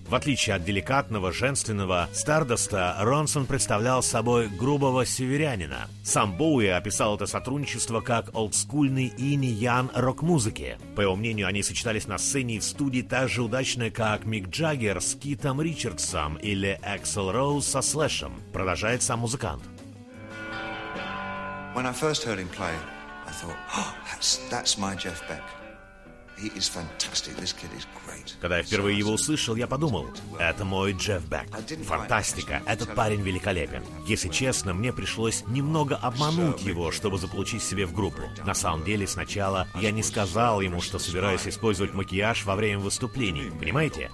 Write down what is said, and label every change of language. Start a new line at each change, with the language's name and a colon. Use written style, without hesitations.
Russian: В отличие от деликатного, женственного Стардаста, Ронсон представлял собой грубого северянина. Сам Боуи описал это сотрудничество как олдскульный инь-ян рок-музыки. По его мнению, они сочетались на сцене и в студии так же удачно, как Мик Джаггер с Китом Ричардсом или Эксел Роуз со Слэшем, продолжает сам музыкант.
English: When I first heard him play, I thought, that's my Jeff Beck. He is fantastic. This kid is great.
Russian: Когда я впервые его услышал, я подумал, это мой Джефф Бек. Фантастика, этот парень великолепен. Если честно, мне пришлось немного обмануть его, чтобы заполучить себе в группу. На самом деле, сначала я не сказал ему, что собираюсь использовать макияж во время выступлений. Понимаете?